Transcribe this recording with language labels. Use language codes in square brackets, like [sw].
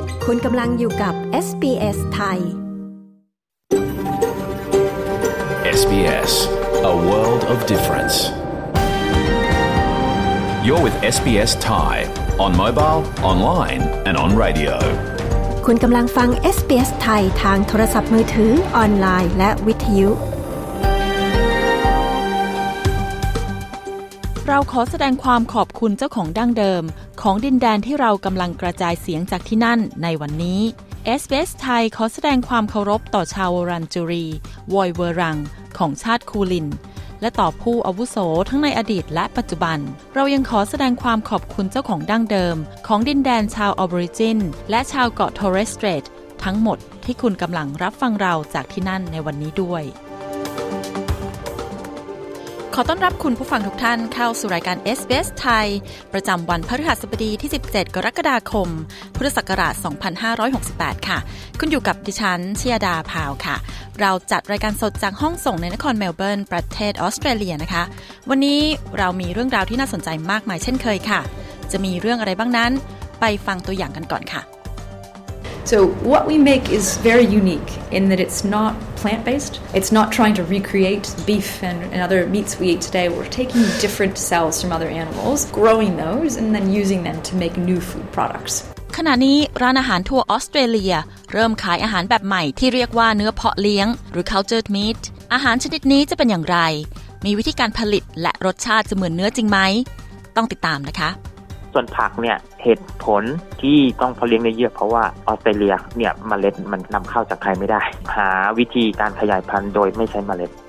[th] คุณกำลังอยู่กับ SBS ไทย [en] SBS A World of Difference You're with SBS Thai on mobile, online and on radio [th] คุณกำลังฟัง SBS ไทยทางโทรศัพท์มือถือออนไลน์และวิทยุ เราขอแสดงความขอบคุณเจ้าของดั้งเดิมของดินแดนที่เรากำลังกระจายเสียงจากที่นั่นในวันนี้ SBS ไทยขอแสดงความเคารพต่อชาววอรันจูรีวอยเวรังของชาติคูลินและต่อผู้อาวุโสทั้งในอดีตและปัจจุบันเรายังขอแสดงความขอบคุณเจ้าของดั้งเดิมของดินแดนชาวออริจินและชาวเกาะทอเรสสเตรททั้งหมดที่คุณกำลังรับฟังเราจากที่นั่นในวันนี้ด้วย ขอต้อนรับคุณผู้ฟังทุกท่านเข้าสู่รายการ SBS ไทยประจำวันพฤหัสบดีที่17กรกฎาคมพุทธศักราช2568ค่ะคุณอยู่กับดิฉันชยดาพาวค่ะเราจัดรายการสดจากห้องส่งในนครเมลเบิร์นประเทศออสเตรเลียนะคะวันนี้เรามีเรื่องราวที่น่าสนใจมากมายเช่นเคยค่ะจะมีเรื่องอะไรบ้างนั้นไปฟังตัวอย่างกันก่อนค่ะ [en] So what we make is very unique in that it's not plant-based. It's not trying to recreate beef and other meats we eat today. We're taking different cells from other animals, growing those, and then using them to make new food products. [th] ขณะนี้ร้านอาหารทั่วออสเตรเลียเริ่มขายอาหารแบบใหม่ที่เรียกว่าเนื้อเพาะเลี้ยงหรือ cultured meat. อาหารชนิดนี้จะเป็นอย่างไรมีวิธีการผลิตและรสชาติจะเหมือนเนื้อจริงไหมต้องติดตามนะคะ ส่วนผักเนี่ยเหตุผลที่ต้องเพาะเลี้ยงเยอะเพราะว่าออสเตรเลียเนี่ยเมล็ดมันนำเข้าจากใครไม่ได้หาวิธีการขยายพันธุ์โดยไม่ใช้เมล็ด